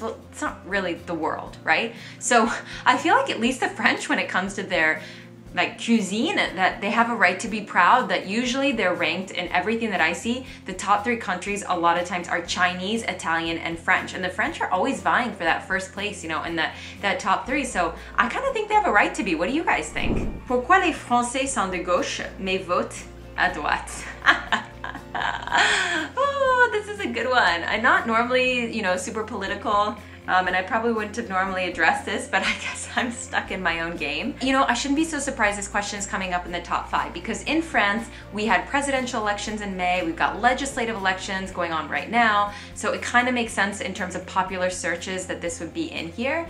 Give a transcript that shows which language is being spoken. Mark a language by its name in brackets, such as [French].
[English] Well, it's not really the world, right? So I feel like at least the French, when it comes to their like cuisine, that they have a right to be proud, that usually they're ranked in everything that I see. The top three countries a lot of times are Chinese, Italian, and French. And the French are always vying for that first place, you know, in that top three. So I kind of think they have a right to be. What do you guys think? [French] Pourquoi les Français sont de gauche mais votent à droite? [English] This is a good one. I'm not normally, you know, super political, and I probably wouldn't have normally addressed this, but I guess I'm stuck in my own game. You know, I shouldn't be so surprised this question is coming up in the top five, because in France, we had presidential elections in May, we've got legislative elections going on right now, so it kind of makes sense in terms of popular searches that this would be in here.